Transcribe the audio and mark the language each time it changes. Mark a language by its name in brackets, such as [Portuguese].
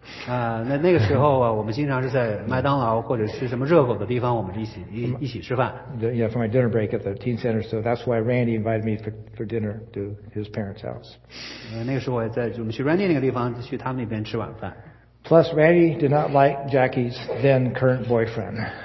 [Chinese] 那个时候我们经常是在麦当劳或者是什么热狗的地方，我们一起吃饭。 [English] Yeah, for my dinner break at the teen center, so that's why Randy invited me for dinner to his parents' house. [Chinese] 那个时候我们去 Randy 那个地方，去他们那边吃晚饭。 [English] Plus, Randy did not like Jackie's then current boyfriend.